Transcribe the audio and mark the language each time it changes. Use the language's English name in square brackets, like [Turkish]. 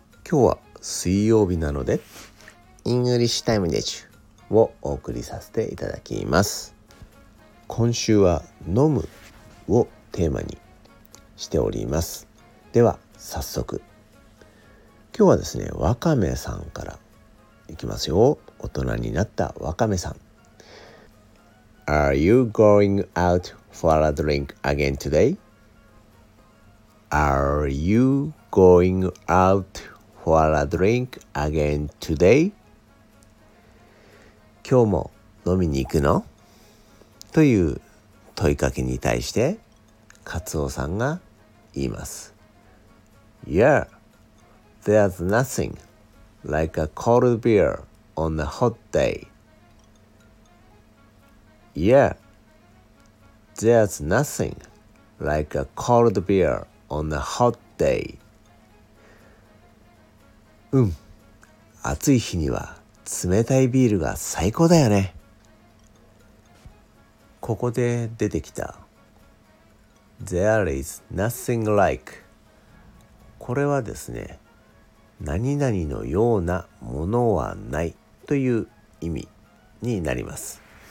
[Japanese] 今日は水曜日なのでイングリッシュタイムでちゅをお送りさせていただきます。今週は飲むをテーマにしております。では早速、今日はですね、わかめさんからいきますよ。大人になったわかめさん。 [English] Are you going out for a drink again today? Are you going out for a drink again today? [Japanese] 今日も飲みに行くの? という問いかけに対してカツオさんが言います。 [English] Yeah, there's nothing like a cold beer on a hot day. Yeah, there's nothing like a cold beer on a hot day. [Japanese] うん、暑い日には冷たいビールが最高だよね。ここで出てきた [English] There is nothing like、 [Japanese] これはですね、何々のようなものはないという意味になります。